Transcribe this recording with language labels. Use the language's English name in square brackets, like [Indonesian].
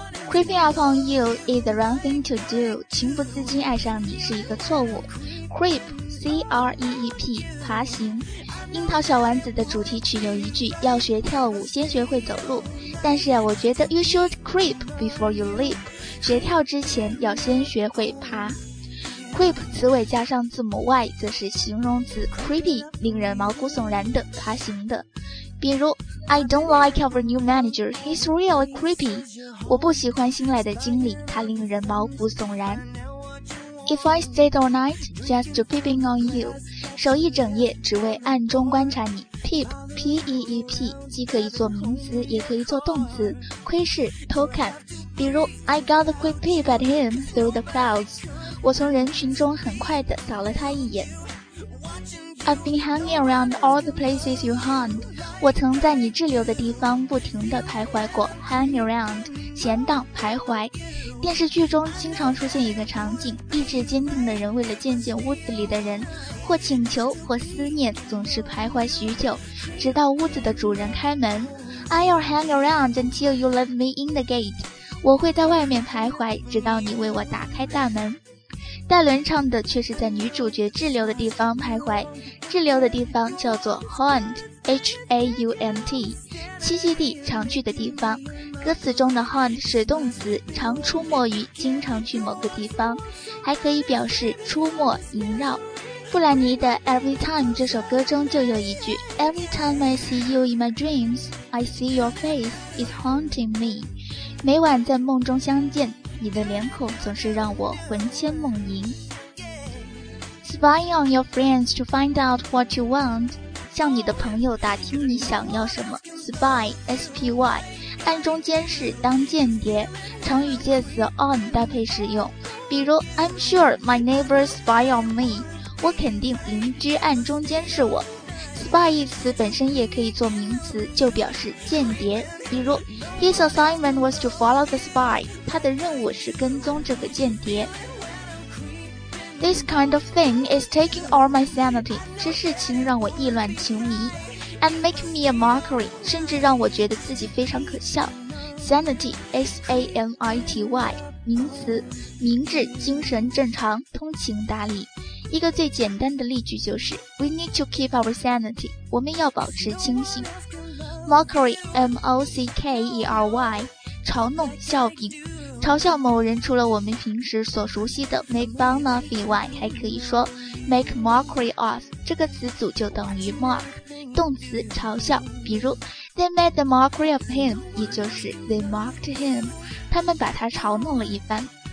[English] Creeping upon you is the wrong thing to do. [Chinese] 情不自禁爱上你是一个错误。 Creep, C-R-E-E-P, 爬行。樱桃小丸子的主题曲有一句，要学跳舞先学会走路。但是啊，我觉得 [English] you should creep before you leap. [Chinese] 学跳之前要先学会爬。 Creep 词尾加上字母 Y 则是形容词 creepy, 令人毛骨悚然的爬行的。 [English] 比如I don't like our new manager, he's really creepy. [Chinese] 我不喜欢新来的经理，他令人毛骨悚然。 [English] If I stayed all night, just to peeping on you, [Chinese] 守一整夜只为暗中观察你。 Peep, P-E-E-P, 既可以做名词，也可以做动词，窥视、偷看。 [English] 比如 I got a quick peep at him through the clouds. [Chinese] 我从人群中很快地扫了他一眼。 [English] I've been hanging around all the places you haunt. [Chinese] 我曾在你滞留的地方不停地徘徊过。Hang around, 闲荡、徘徊。电视剧中经常出现一个场景，意志坚定的人为了见见屋子里的人，或请求，或思念，总是徘徊许久，直到屋子的主人开门。 [English] I'll hang around until you let me in the gate. [Chinese] 我会在外面徘徊，直到你为我打开大门。戴伦唱的却是在女主角滞留的地方徘徊，滞留的地方叫做 haunt, H-A-U-N-T, 栖息地、常去的地方。歌词中的 haunt 是动词，常出没于、经常去某个地方，还可以表示出没、萦绕。布兰妮的 [English] Every Time [Chinese] 这首歌中就有一句 [English] Every time I see you in my dreams, I see your face is haunting me. [Chinese] 每晚在梦中相见，你的脸孔总是让我魂牵梦萦。 [English] Spying on your friends to find out what you want, [Chinese] 向你的朋友打听你想要什么。 Spy, S-P-Y, 暗中监视，当间谍，常与介词 on 搭配使用。 [English] 比如 I'm sure my neighbors spy on me, [Chinese] 我肯定邻居暗中监视我。 Spy 一词本身也可以做名词，就表示间谍。 [English] 比如 His assignment was to follow the spy, [Chinese] 他的任务是跟踪这个间谍。 [English] This kind of thing is taking all my sanity, [Chinese] 这事情让我意乱情迷。 [English] And make me a mockery, [Chinese] 甚至让我觉得自己非常可笑。 Sanity, S-A-N-I-T-Y, 名词，明智、精神正常、通情达理。一个最简单的例句就是 [English] We need to keep our sanity, [Chinese] 我们要保持清醒。 Mockery, M-O-C-K-E-R-Y, 嘲弄、笑柄。嘲笑某人除了我们平时所熟悉的 make fun of 以外，还可以说 make mockery of, 这个词组就等于 mock, 动词嘲笑。 [English] 比如 They made the mockery of him, [Chinese] 也就是 [English] They mocked him, [Chinese] 他们把他嘲弄了一番。